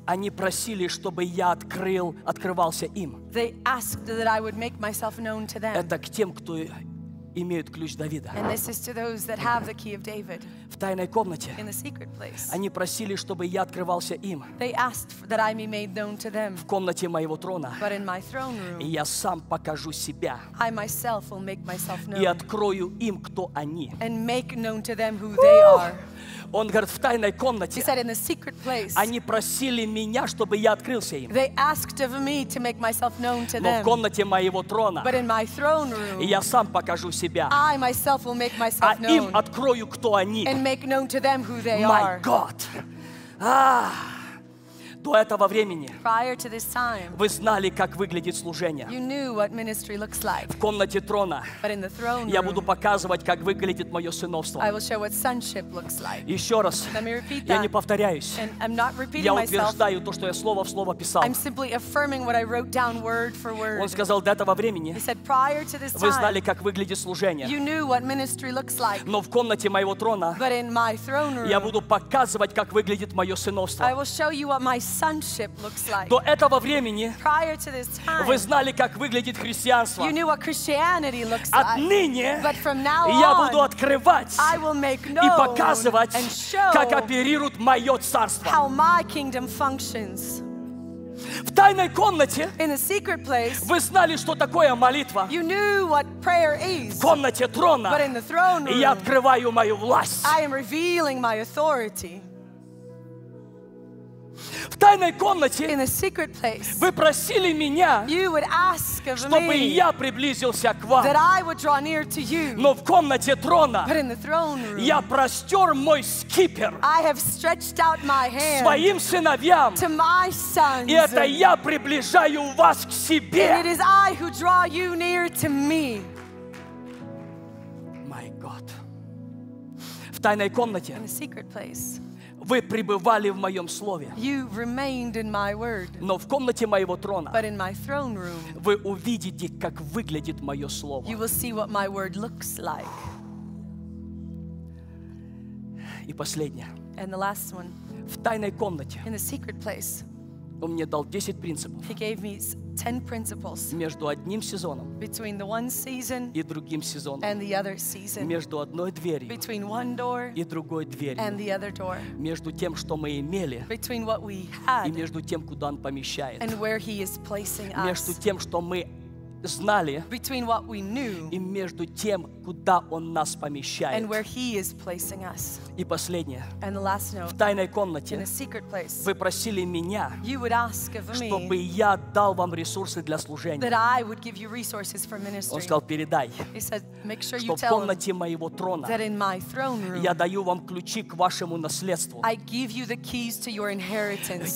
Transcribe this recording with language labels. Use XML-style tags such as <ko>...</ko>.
<ru>они просили, чтобы я открывался им.</ru> <en>They asked that I would make myself known to them.</en> <ru>Это к тем, кто имеют ключ Давида.</ru> <en>And this is to those that have the key of David.</en> <ru>В тайной комнате</ru> <en>in the secret place,</en> <ru>они просили, чтобы я открывался им.</ru> <en>They asked that I be made known to them.</en> <ru>В комнате моего трона.</ru> <en>But in my throne room,</en> <ru>и я сам покажу себя.</ru> <en>I myself will make myself known.</en> <ru>И открою им, кто они.</ru> <en>And make known to them who they are.</en> <ru>Он говорит, в тайной комнате</ru> <en>he said, in the secret place,</en> <ru>они просили меня, чтобы я открылся им.</ru> <en>They asked of me to make myself known to them.</en> <ru>Но в комнате моего трона</ru> <en>but in my throne room,</en> <ru>я сам покажу себя.</ru> <en>I myself will make myself known,</en> <ru>а им открою, кто они.</ru> <en>And make known to them who they my God!</en> <ru>До этого времени</ru> <en>prior to this time,</en> <ru>вы знали, как выглядит служение.</ru> <en>You knew what ministry looks like.</en> <ru>В комнате трона</ru> <en>but in the throne room,</en> <ru>я буду показывать, как выглядит мое сыновство.</ru> <en>I will show what sonship looks like.</en> <ru>Еще раз,</ru> <en>let me repeat that.</en> <ru>Я не повторяюсь.</ru> <en>And I'm not repeating</en> <ru>я утверждаю</ru> <en>myself.</en> <ru>То, что я слово в слово писал.</ru> <en>I'm simply affirming what I wrote down word for word.</en> <ru>Он сказал, до этого времени</ru> <en>he said, prior to this time,</en> <ru>вы знали, как выглядит служение.</ru> <en>You knew what ministry looks like.</en> <ru>Но в комнате моего трона</ru> <en>but in my throne room,</en> <ru>я буду показывать, как выглядит мое сыновство.</ru> <en>I will show you what my sonship looks like.</en> <ru>До этого времени</ru> <en>prior to this time,</en> <ru>вы знали, как выглядит христианство.</ru> <en>You knew what Christianity looks like.</en> <ru>Отныне</ru> <en>but from now</en> <ru>я</ru> <en>on,</en> <ru>буду открывать</ru> <en>I will make known</en> <ru>и показывать,</ru> <en>and show</en> <ru>как оперирует мое царство.</ru> <en>How my kingdom functions.</en> <ru>В тайной комнате</ru> <en>in a secret place,</en> <ru>вы знали, что такое молитва.</ru> <en>You knew what prayer is.</en> <ru>В комнате трона</ru> <en>but in the throne room,</en> <ru>я открываю мою власть.</ru> <en>I am revealing my authority.</en> <ru>В тайной комнате</ru> <en>in a secret place,</en> <ru>вы просили меня,</ru> <en>you would ask of</en> <ru>чтобы</ru> <en>me,</en> <ru>я приблизился к вам.</ru> <en>That I would draw near to you.</en> <ru>Но в комнате трона</ru> <en>but in the throne room,</en> <ru>я простер мой скипер</ru> <en>I have stretched out my hand</en> <ru>своим сыновьям.</ru> <en>To my sons,</en> <ru>и это я приближаю вас к себе.</ru> <en>And it is I who draw you near to me. My God.</en> <ru>В тайной комнате</ru> <en>in a secret place,</en> <ru>вы пребывали в моем слове.</ru> <en>You remained in my word.</en> <ru>Но в комнате моего трона</ru> <en>but in my throne room,</en> <ru>вы увидите, как выглядит мое слово.</ru> <en>You will see what my word looks like.</en> <ru>И последнее.</ru> <en>And the last one.</en> <ru>В тайной комнате</ru> <en>in the secret place,</en> <ru>он мне дал 10 принципов.</ru> <en>He gave me 10 principles</en> <ru>между одним сезоном</ru> <en>between the one season</en> <ru>и другим сезоном</ru> <en>and the other season</en> <ru>между одной дверью</ru> <en>between one door</en> <ru>и другой дверью</ru> <en>and the other door</en> <ru>между тем, что мы имели</ru> <en>between what we had</en> <ru>и между тем, куда он помещает</ru> <en>and where he is placing</en> <ru>между</ru> <en>us</en> <ru>тем, что мы знали,</ru> <en>between what we knew,</en> <ru>и между тем, куда Он нас помещает.</ru> <en>And where He is placing us.</en> <ru>И последнее.</ru> <en>And the last note,</en> <ru>в тайной комнате,</ru> <en>in a secret place,</en> <ru>вы просили меня,</ru> <en>you would ask of me,</en> <ru>чтобы я дал вам ресурсы для служения.</ru> <en>That I would give you resources for ministry.</en> <ru>Он сказал, передай,</ru> <en>He said, make sure you tell</en> <ru>в комнате моего трона</ru> <en>that in my throne room,</en> <ru>я даю вам ключи к вашему наследству,</ru> <en>I give you the keys to your inheritance,</en>